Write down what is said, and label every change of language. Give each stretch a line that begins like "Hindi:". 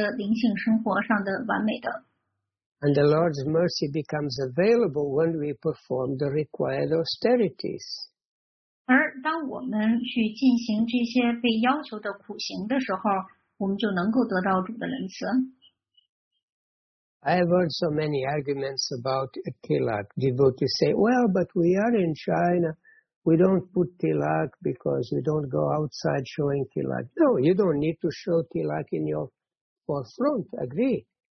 Chinese: 如果要是没有主的仁慈的话，我们是不可能得到任何的灵性生活上的完美的。
English: And the Lord's mercy becomes available when we perform the required austerities.
Chinese: 而当我们去进行这些被要求的苦行的时候。
English: I have heard so many arguments about tilak. Devotees say, well, but we are in China. We don't put tilak because we don't go outside showing tilak. No, you don't need to show tilak in your forefront. Agree.